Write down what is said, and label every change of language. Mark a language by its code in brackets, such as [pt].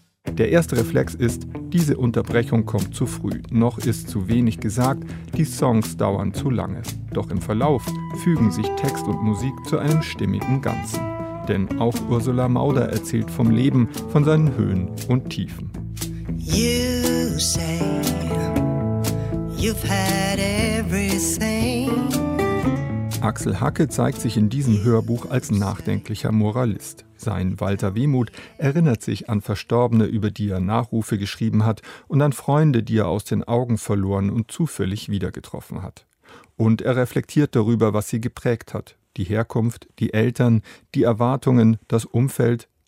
[de] Der erste Reflex ist, diese Unterbrechung kommt zu früh, noch ist zu wenig gesagt, die Songs dauern zu lange. Doch im Verlauf fügen sich Text und Musik zu einem stimmigen Ganzen. Denn auch Ursula Mauder erzählt vom Leben, von seinen Höhen und Tiefen. [en] You say you've had everything. [de] Axel Hacke zeigt sich in diesem Hörbuch als nachdenklicher Moralist. Sein Walter Wehmuth erinnert sich an Verstorbene, über die er Nachrufe geschrieben hat und an Freunde, die er aus den Augen verloren und zufällig wiedergetroffen hat. Und er reflektiert darüber, was sie geprägt hat. Die Herkunft, die Eltern, die Erwartungen, das Umfeld.